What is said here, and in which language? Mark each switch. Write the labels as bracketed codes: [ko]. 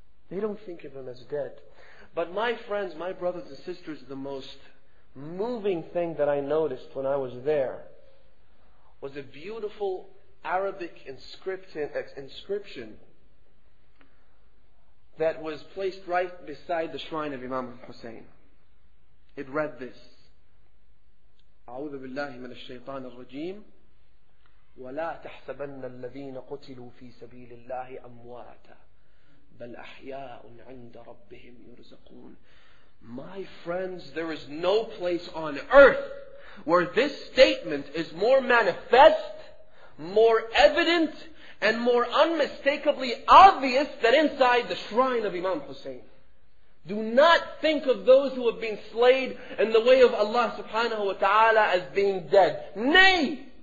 [en] They don't think of him as dead. But my friends, my brothers and sisters, the most moving thing that I noticed when I was there was a beautiful Arabic inscription that was placed right beside the shrine of Imam Hussein. [ar] It read this: أعوذ بالله من الشيطان الرجيم ولا تحسبن الذين قتلوا في سبيل الله أمواتا بل أحياء عند ربهم يرزقون. [en] My friends, there is no place on earth where this statement is more manifest, more evident, and more unmistakably obvious than inside the shrine of Imam Hussein. Do not think of those who have been slain in the way of Allah subhanahu wa ta'ala as being dead. Nay!